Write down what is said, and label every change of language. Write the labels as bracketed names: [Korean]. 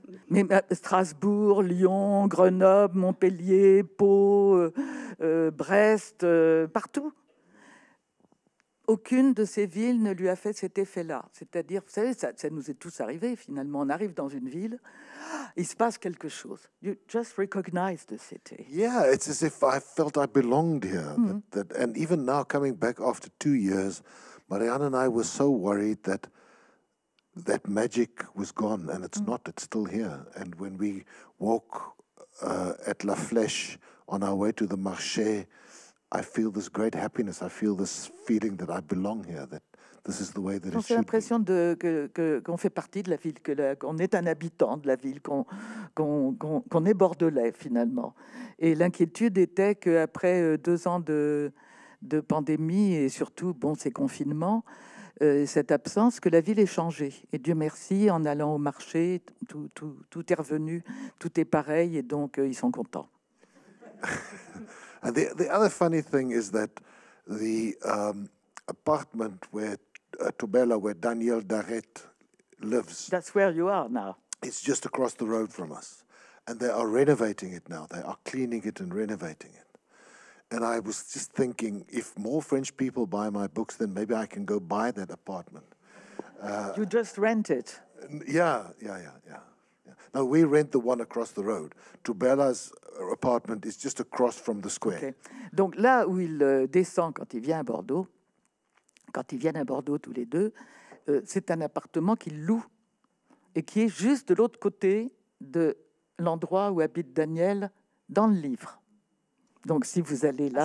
[French] Mais Strasbourg, Lyon, Grenoble, Montpellier, Pau, Brest, partout. Aucune de ces villes ne lui a fait cet effet-là. C'est-à-dire, vous savez, ça nous est tous arrivé, finalement. On arrive dans une ville, il se passe quelque chose. [English] You just recognize the city. Yeah, it's as if I felt I belonged here. Mm-hmm. That, and even now, coming back after 2 years, Marianne and I were so worried that magic was gone, and it's not, it's still here. And when we walk at La Flèche on our way to the marché, I feel this great happiness. I feel this feeling that I belong here. That this is the way that it should be. [French] J'ai l'impression qu'on fait partie de la ville, qu'on est un habitant de la ville, qu'on est bordelais finalement. Et l'inquiétude était qu'après 2 ans de pandémie et surtout ces confinements, cette absence, que la ville ait changé. Et Dieu merci, en allant au marché, tout est revenu, tout est pareil, et donc ils sont contents. [English] And the other funny thing is that the apartment where Tobela, where Daniel Daret lives. That's where you are now. It's just across the road from us. And they are renovating it now. They are cleaning it and renovating it. And I was just thinking, if more French people buy my books, then maybe I can go buy that apartment. You just rent it. Yeah. Now, we rent the one across the road. Tobela's apartment is just across from the square. Okay. [French] Donc, là où il descend quand il vient à Bordeaux, quand ils viennent à Bordeaux tous les deux, c'est un appartement qu'il loue et qui est juste de l'autre côté de l'endroit où habite Daniel dans le livre. Donc, si vous allez là...